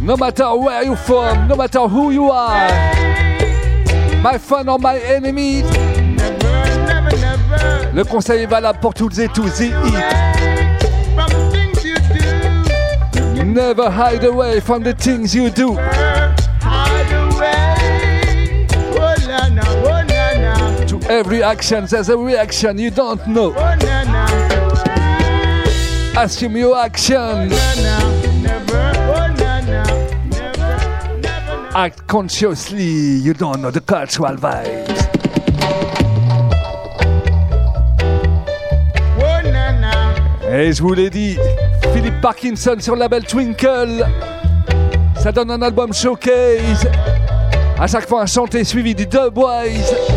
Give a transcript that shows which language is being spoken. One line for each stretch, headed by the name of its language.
English: no matter where you're from, no matter who you are, my friend or my enemy.
French: Le conseil est valable pour toutes et tous.
English: Never hide away from the things you do. To every action, there's a reaction you don't know. Assume your action. Act consciously, you don't know the cultural vibes. Oh, nana.
French: Et je vous l'ai dit, Philip Parkinson sur le label Twinkle. Ça donne un album showcase. À chaque fois, un chanté suivi du Dubwise.